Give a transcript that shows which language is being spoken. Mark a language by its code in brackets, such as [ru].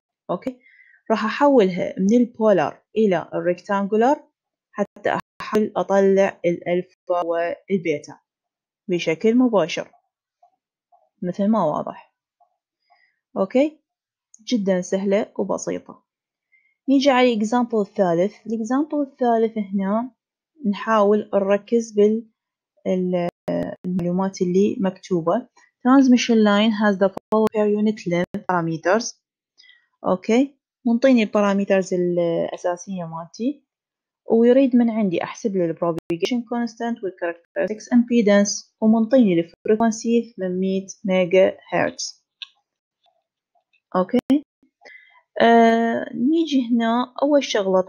[ar] أوكي، راح أحولها من البولار إلى الريكتانجولار حتى أحاول أطلع الألفا والبيتا بشكل مباشر مثل ما واضح. أوكي، جدا سهلة وبسيطة. نيجي على الإكزامبل الثالث. الإكزامبل الثالث هنا نحاول نركز بالمعلومات اللي مكتوبة. [en] Transmission line has the following per unit length parameters. [ar] أوكي، منطيني البارامترز الأساسية مالتي، ويريد من عندي أحسب لي البروبيجيشن كونستانت والكاركترستكس امبيدنس، ومنطيني الفريكونسي 800 ميجا هرتز. اوكي، نيجي هنا اول شغله.